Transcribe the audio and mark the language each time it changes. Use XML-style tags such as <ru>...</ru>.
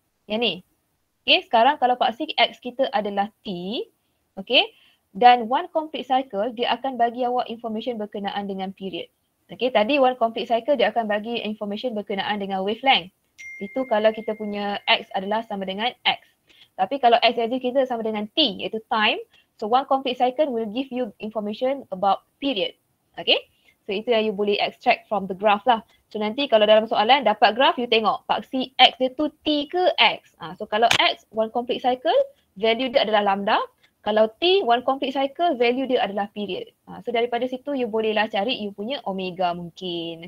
<ms>Yang ni. Okay, sekarang kalau paksi x kita adalah t. Okay, Dan</ms> <en>one complete cycle,</en> <ms>dia akan bagi awak information berkenaan dengan period. Okay, tadi</ms> <en>one complete cycle,</en> <ms>dia akan bagi information berkenaan dengan wavelength. Itu kalau kita punya X adalah sama dengan X. Tapi kalau X aja kita sama dengan T, iaitu time.</ms> <en>So one complete cycle will give you information about period. Okay, so itu yang you boleh extract from the graph lah.</en> <ms>So nanti kalau dalam soalan dapat graph, you tengok paksi X dia tu T ke X. So kalau X</ms> <en>one complete cycle,</en> <ms>value dia adalah lambda. Kalau T</ms> <en>one complete cycle,</en> <ms>value dia adalah period. So daripada situ you bolehlah cari you punya omega mungkin.</ms>